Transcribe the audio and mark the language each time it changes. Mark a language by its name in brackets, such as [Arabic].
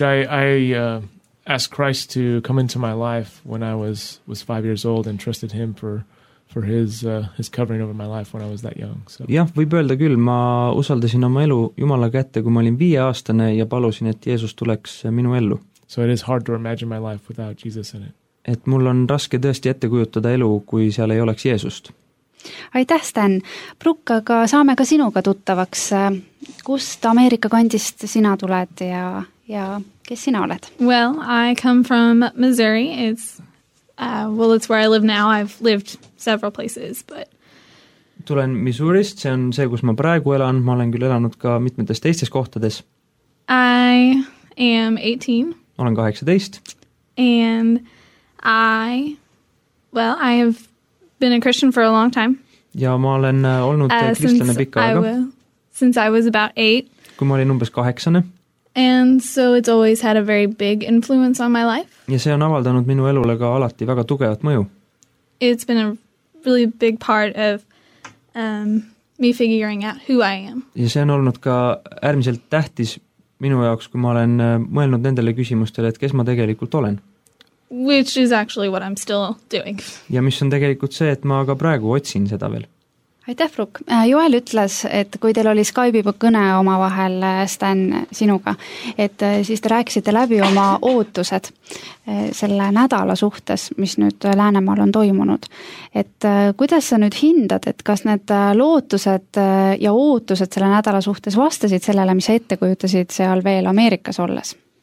[English] I asked Christ to come into my life when I was 5 years old and trusted him for his covering over my life when I was that young. So. [Estonian] Ja, võib öelda küll, ma usaldasin oma elu Jumala kätte, kui ma olin 5-aastane ja palusin, et Jeesus tuleks minu ellu. [English] So it is hard to imagine my life without Jesus in it. [Estonian] Et mul on raske tõesti ette kujutada elu, kui seal ei oleks Jeesust. Aitäh, Sten. Brooke, aga saame ka sinuga tuttavaks. Kust Ameerika kandist sina tuled ja kes sina oled? [English] Well, I come from Missouri. It's where I live now. I've lived several places, but [Estonian] tulen Missourist. See on see, kus ma praegu elan. Ma olen küll elanud ka mitmetes teistes kohtades. [English] I am 18. [Estonian] Olen 18. [English] And I have been a Christian for a long time. [Estonian] Ja ma olen olnud kristlane pikka aega. [English] Since I was about 8. [Estonian] Kui ma olin umbes 8. [English] And so it's always had a very big influence on my life. [Estonian] Ja see on avaldanud minu elule ka alati väga tugevat mõju. [English] It's been a really big part of me figuring out who I am. [Estonian] Ja see on olnud ka äärmiselt tähtis minu jaoks, kui ma olen mõelnud nendele küsimustele, et kes ma tegelikult olen. [English] Which is actually what I'm still doing. [Estonian] Ja mis on tegelikult see, et ma aga praegu otsin seda veel. Aitäh, Fruk. Joel ütles, et kui teil oli Skype'i kõne oma vahel Sten sinuga, et siis te rääkisite läbi oma ootused selle nädala suhtes, mis nüüd Läänemaal on toimunud. Et kuidas sa nüüd hindad, et kas need lootused ja ootused selle nädala suhtes vastasid sellele, mis ette kujutasid seal veel Ameerikas olles?